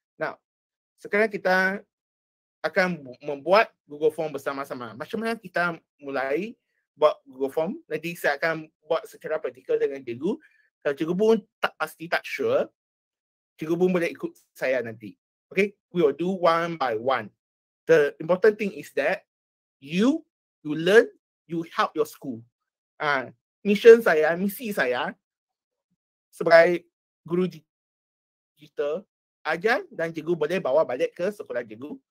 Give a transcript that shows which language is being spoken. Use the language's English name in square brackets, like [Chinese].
[Malay] Now, sekarang kita akan membuat Google Form bersama-sama. Macam mana kita mulai buat Google Form? Nanti saya akan buat secara praktikal dengan cikgu. Kalau cikgu pun tak pasti, tak sure, cikgu pun boleh ikut saya nanti. [English] Okay, we will do one by one. The important thing is that you learn, you help your school. [Malay] Mission saya, misi saya sebagai guru digital, ajar dan cikgu boleh bawa balik ke sekolah cikgu.